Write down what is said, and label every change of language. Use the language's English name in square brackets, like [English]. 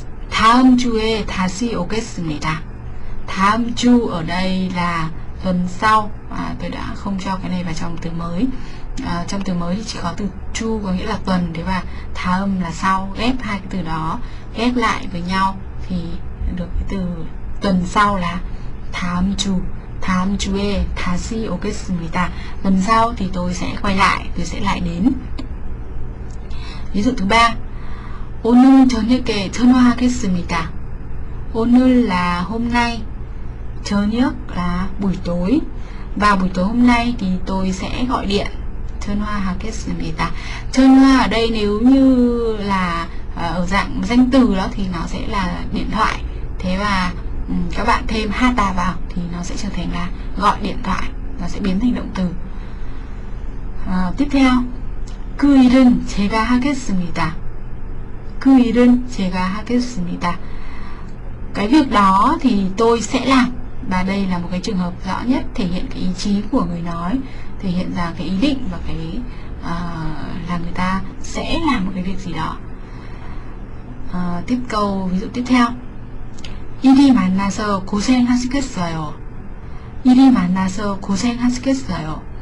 [Korean] 다음 주에 다시 오겠습니다. [Vietnamese] 다음 주 ở đây là tuần sau. Tôi đã không cho cái này vào trong từ mới. Trong từ mới thì chỉ có từ 주 có nghĩa là tuần, thế và 다음 là sau. Ghép hai cái từ đó ghép lại với nhau thì được cái từ tuần sau là 다음 주. [Korean] 다음 주에 다시 오겠습니다. [Vietnamese] Lần sau thì tôi sẽ quay lại, tôi sẽ lại đến. 3. [Korean] 오늘 저녁에 전화하겠습니다. [Vietnamese] 오늘 là hôm nay. 저녁 là buổi tối. Vào buổi tối hôm nay thì tôi sẽ gọi điện. [Korean] 전화하겠습니다. [Vietnamese] 전화 ở đây nếu như là ở dạng danh từ đó thì nó sẽ là điện thoại. Thế và các bạn thêm 하다 vào thì nó sẽ trở thành là gọi điện thoại. Nó sẽ biến thành động từ. Tiếp theo. [Korean] 그 일은 제가 하겠습니다. 그 일은 제가 하겠습니다. [Vietnamese] Cái việc đó thì tôi sẽ làm. Và đây là một cái trường hợp rõ nhất thể hiện cái ý chí của người nói, thể hiện ra cái ý định và cái là người ta sẽ làm một cái việc gì đó. Tiếp câu ví dụ tiếp theo. [Korean] 일이 많아서 고생하시겠어요. 일이 많아서 고생하시겠어요.